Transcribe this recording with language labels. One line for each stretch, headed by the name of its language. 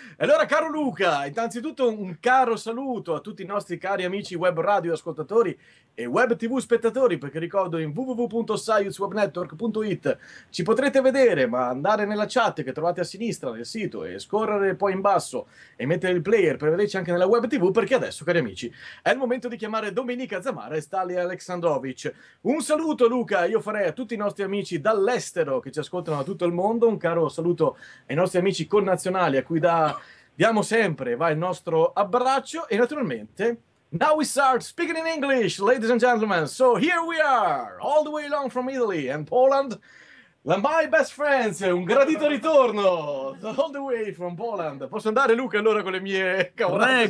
Italian: Allora, caro Luca, innanzitutto un caro saluto a tutti i nostri cari amici web radio ascoltatori e web tv spettatori, perché ricordo in www.saiuzwebnetwork.it ci potrete vedere, ma andare nella chat che trovate a sinistra del sito e scorrere poi in basso e mettere il player per vederci anche nella web tv, perché adesso, cari amici, è il momento di chiamare Dominica Zamara e Stanley Aleksandrovic. Un saluto, Luca, io farei a tutti i nostri amici dall'estero che ci ascoltano da tutto il mondo, un caro saluto ai nostri amici connazionali a cui diamo sempre va il nostro abbraccio. E naturalmente
English: now we start speaking in English, ladies and gentlemen, so here we are all the way along from Italy and Poland, la my best friends,
Italian: un gradito ritorno
English: all the way from Poland.
Italian: Posso andare, Luca, allora con le mie cavolate?